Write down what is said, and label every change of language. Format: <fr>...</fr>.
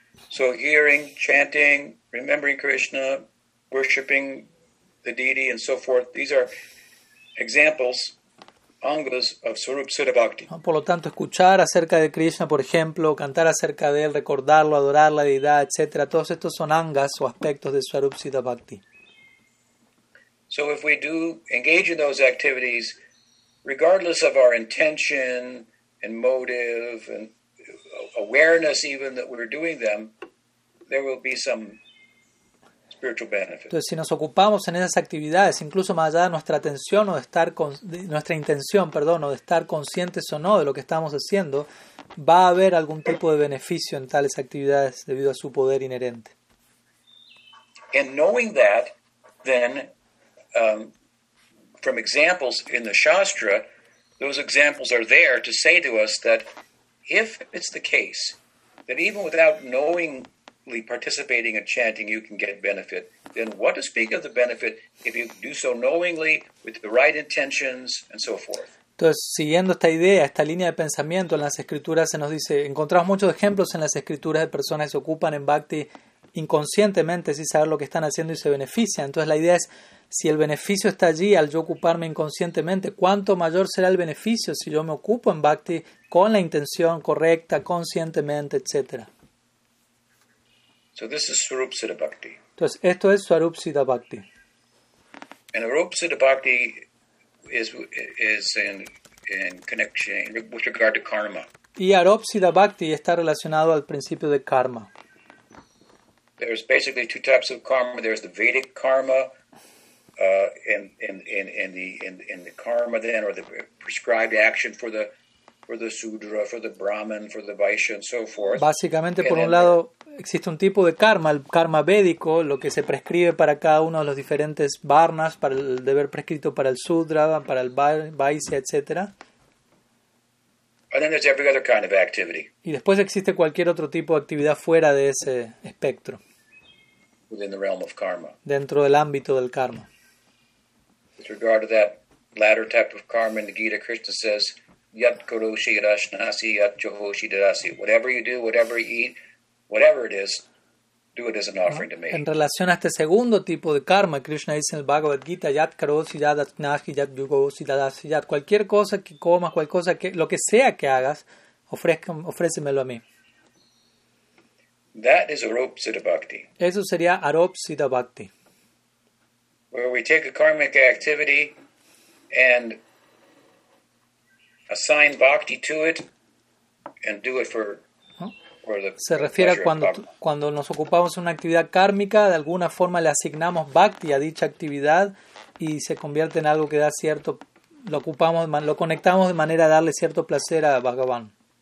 <en>So hearing, chanting, remembering Krishna, worshipping the deity, and so forth, these are examples, angas of Swarup Siddha Bhakti.</en> <es>Por lo tanto, escuchar acerca de Krishna, por ejemplo, cantar acerca de él, recordarlo, adorar la deidad, etc. Todos estos son angas o aspectos de Swarup Siddha Bhakti.</es> <en>So if we do engage in those activities, regardless of our intention and motive and awareness even that we're doing them, there will be some spiritual benefit.</en> <es>Entonces, si nos ocupamos en esas actividades, incluso más allá de nuestra atención o de estar con nuestra intención, perdón, o de estar conscientes o no de lo que estamos haciendo, va a haber algún tipo de beneficio en tales actividades debido a su poder inherente.</es> <en>And knowing that, then, from examples in the Shastra, those examples are there to say to us that if it's the case that even without knowingly participating in chanting you can get benefit, then what to speak of the benefit if you do so knowingly with the right intentions and so forth.</en> <es>Entonces, siguiendo esta idea, esta línea de pensamiento en las escrituras, se nos dice, encontramos muchos ejemplos en las escrituras de personas que se ocupan en bhakti inconscientemente sin saber lo que están haciendo y se benefician. Entonces la idea es, si el beneficio está allí al yo ocuparme inconscientemente, ¿cuánto mayor será el beneficio si yo me ocupo en bhakti con la intención correcta, conscientemente, etcétera?</es> <en>So this is Swarup Siddha Bhakti.</en> <es>Entonces, esto es Swarup Siddha Bhakti.</es> <en>And Swarup Siddha Bhakti is in connection with regard to karma.</en> <es>Y Swarup Siddha Bhakti está relacionado al principio de karma.</es> <en>There's basically two types of karma. There's the Vedic karma, and the karma then, or the prescribed action for the sudra, for the brahman, for the vaishya, and so forth.</en> <es>Básicamente, por un lado, existe un tipo de karma, el karma védico, lo que se prescribe para cada uno de los diferentes varnas, para el deber prescrito para el sudra, para el vaishya, etc.</es> <en>And then there's every other kind of activity.</en> <es>Y después existe cualquier otro tipo de actividad fuera de ese espectro.</es> <en>Within the realm of karma.</en> <es>Dentro del ámbito del karma.</es> <en>With regard to that latter type of karma in the Gita, Krishna says,</en> <sa>yat karoshi yat ashnasi yat chohoshi dadasi.</sa> <en>Whatever you do, whatever you eat, whatever it is, do it as an offering to me.</en> <es>En relación a este segundo tipo de karma, Krishna dice en el Bhagavad Gita,</es> <sa>yat karoshi yat ashnasi yat chohoshi dadasi yat.</sa> <es>Cualquier cosa que comas, cualquier cosa que, lo que sea que hagas, ofrécemelo a mí.</es> <en>That is Arup Siddha Bhakti.</en> <es>Eso sería Arup Siddha Bhakti.</es> <en>Where we take a karmic activity and assign bhakti to it and do it for the</en> <es>Se refiere a cuando nos ocupamos en una actividad kármica, de alguna forma le asignamos bhakti a dicha actividad y se convierte en algo que da cierto, lo conectamos de manera a darle cierto placer a Bhagavan.</es>